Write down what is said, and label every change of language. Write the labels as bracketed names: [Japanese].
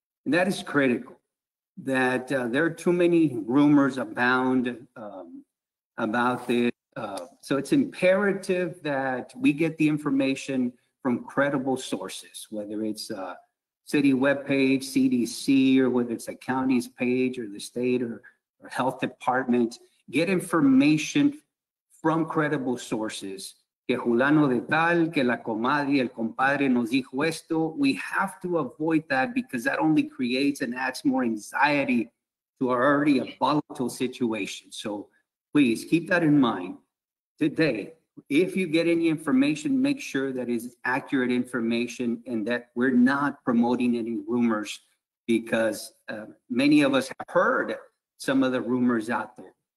[English] And that is critical, that there are too many rumors abound about this. So it's imperative that we get the information from credible sources, whether it's a city webpage, CDC, or whether it's a county's page or the state or health department. Get information from credible sources. [Spanish] Que Julano de Tal, que la comadre, el compadre nos dijo esto. [English] We have to avoid that because that only creates and adds more anxiety to our already a volatile situation. So please keep that in mind. Today, if you get any information, make sure that is accurate information and that we're not promoting any rumors, because many of us have heard some of the rumors out there.